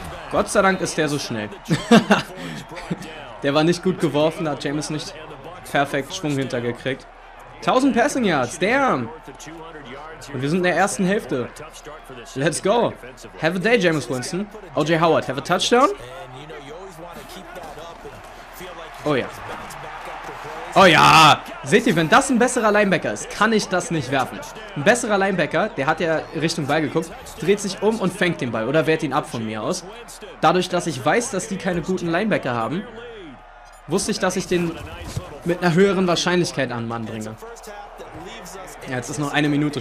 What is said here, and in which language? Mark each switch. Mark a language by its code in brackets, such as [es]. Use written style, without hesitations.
[de] Gott sei Dank ist der so schnell. Der war nicht gut geworfen, da hat James nicht perfekt Schwung hintergekriegt. 1000 Passing Yards, damn! Und wir sind in der ersten Hälfte. [en] Let's go! Have a day, James Winston. OJ Howard, have a touchdown? [de] Oh ja. Oh ja, seht ihr, wenn das ein besserer Linebacker ist, kann ich das nicht werfen. Ein besserer Linebacker, der hat ja Richtung Ball geguckt, dreht sich um und fängt den Ball oder wehrt ihn ab von mir aus. Dadurch, dass ich weiß, dass die keine guten Linebacker haben, wusste ich, dass ich den mit einer höheren Wahrscheinlichkeit an den Mann bringe. Ja, jetzt ist noch eine Minute.